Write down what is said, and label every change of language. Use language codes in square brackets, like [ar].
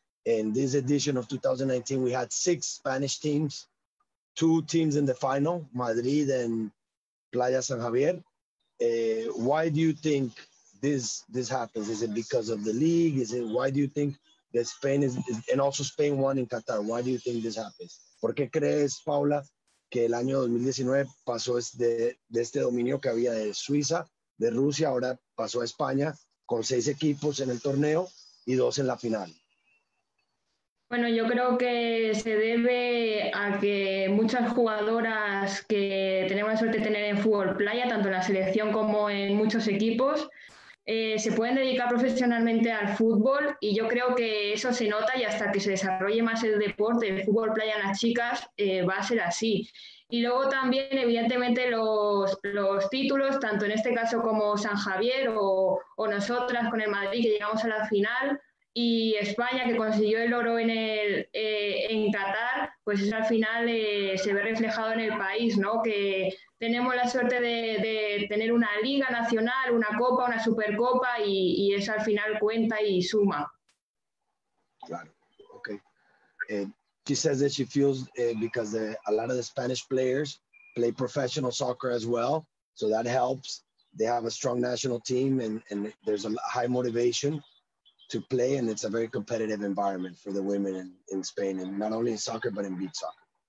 [en] In this edition of 2019, we had six Spanish teams, two teams in the final, Madrid and Playas San Javier. Why do you think this happens? Is it because of the league? Is it, why do you think that Spain is, and also Spain won in Qatar. Why do you think this happens? [es] ¿Por qué crees, Paula, que el año 2019 pasó de este dominio que había de Suiza, de Rusia, ahora pasó a España con seis equipos en el torneo y dos en la final? Bueno, yo creo que se debe a que muchas jugadoras que tenemos la suerte de tener en fútbol playa, tanto en la selección como en muchos equipos, se pueden dedicar profesionalmente al fútbol, y yo creo que eso se nota, y hasta que se desarrolle más el deporte, el fútbol playa en las chicas, va a ser así. Y luego también, evidentemente, los títulos, tanto en este caso como San Javier o nosotras con el Madrid, que llegamos a la final, y España, que consiguió el oro en Qatar, pues eso al final se ve reflejado en el país, ¿no? Que tenemos la suerte de tener una liga nacional, una copa, una supercopa, y eso al final cuenta y suma. Claro, okay. [en] She says that she feels because a lot of the Spanish players play professional soccer as well, so that helps. They have a strong national team, and there's a high motivation to play, and it's a very competitive environment for the women in Spain, and not only in soccer, but in beach soccer.